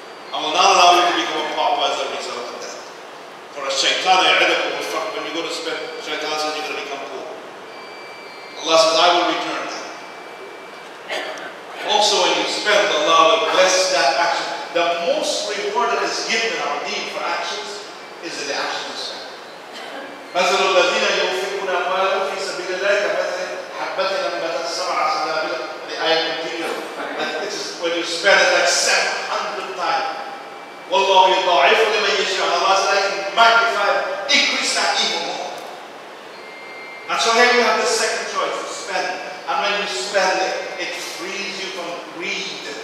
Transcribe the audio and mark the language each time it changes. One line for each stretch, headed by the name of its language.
English: I will not allow you to become a pauper as a result of that. For a shaitan, when you go to spend, shaitan says you're going to become poor. Allah says, I will return that. Also, when you spend, Allah will bless that action. The most reward that is given in our deed for actions is in the actions.
Arabic: مثل الذين ينفقون أموالهم في سبيل الله كمثل حبة أنبتت سبع سنابل.
English: The ayah continues. When you spend it like 700 times.
Arabic: والله يضاعف لمن يشاء.
English: Allah says, I can magnify, increase that even more. And so here you have the second choice, to spend. And when you spend it, it frees you from greed.